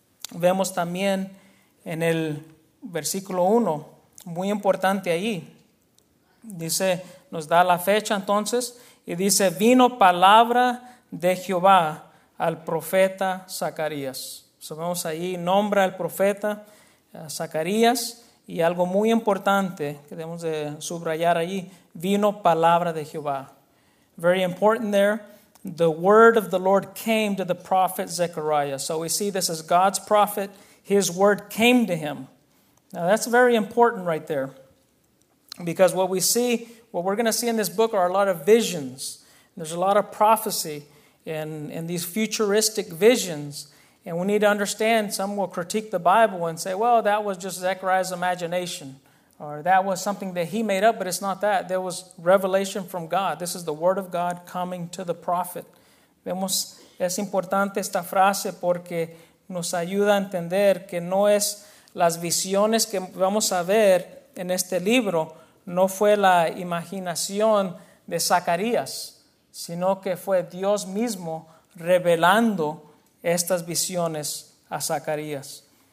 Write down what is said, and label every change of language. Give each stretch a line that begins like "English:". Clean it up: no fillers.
Spanish: Vemos también en el versículo 1, muy importante ahí, dice, nos da la fecha entonces, y dice, vino palabra de Jehová al profeta Zacarías. So, vemos ahí, nombra al profeta Zacarías. Y algo muy importante que debemos de subrayar ahí, vino palabra de Jehová.
English: Very important there, the word of the Lord came to the prophet Zechariah. So we see this as God's prophet, his word came to him. Now that's very important right there. Because what we see, what we're going to see in this book are a lot of visions. There's a lot of prophecy in these futuristic visions. And we need to understand, some will critique the Bible and say, well, that was just Zechariah's imagination. Or that was something that he made up, but it's not that. There was revelation from God. This is the word of God coming to the prophet.
Spanish: Vemos, es importante esta frase porque nos ayuda a entender que no es las visiones que vamos a ver en este libro, no fue la imaginación de Zacarías, sino que fue Dios mismo revelando estas visiones a Zacarías.